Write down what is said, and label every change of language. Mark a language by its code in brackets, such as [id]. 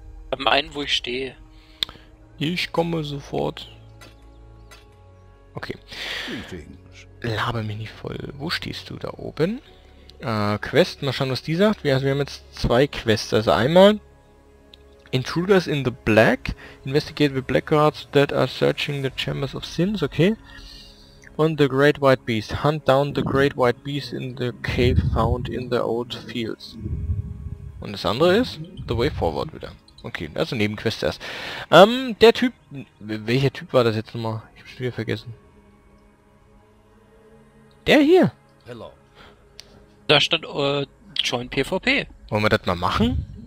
[de] Am einen, wo ich stehe. Ich komme sofort. Okay. Laber mich nicht voll. Wo stehst du da oben? Quest, mal schauen, was die sagt. Wir haben jetzt zwei Quests. Also einmal Intruders in the Black. [en] Investigate the Blackguards that are searching the Chambers of Sins. Okay. Und the Great White Beast. Hunt down the Great White Beast in the cave found in the old fields. [de] Und das andere ist The Way Forward wieder. Okay, also Nebenquest erst. Der Typ... Welcher Typ war das jetzt nochmal? Ich hab's wieder vergessen. Der hier! [en] Hello. [de] Da stand, Join PvP. Wollen wir das mal machen?